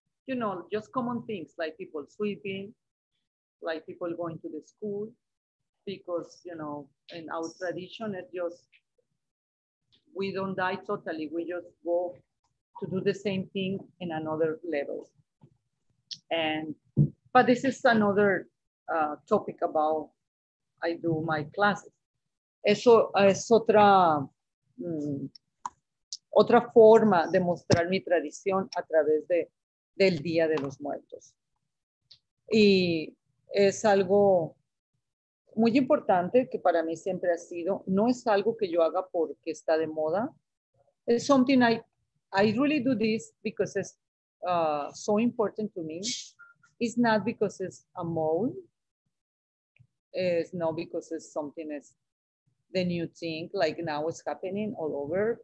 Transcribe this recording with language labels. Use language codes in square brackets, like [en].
[en] You know, just common things like people sleeping, like people going to the school, because, you know, in our tradition, it just, we don't die totally. We just go to do the same thing in another level. And, but this is another topic about I do my classes. [es] Eso es otra, otra forma de mostrar mi tradición a través de del Día de los Muertos. Y es algo muy importante que para mí siempre ha sido, no es algo que yo haga porque está de moda. [en] It's something I really do this because it's so important to me. It's not because it's a mode. It's not because it's something that's the new thing, like now it's happening all over.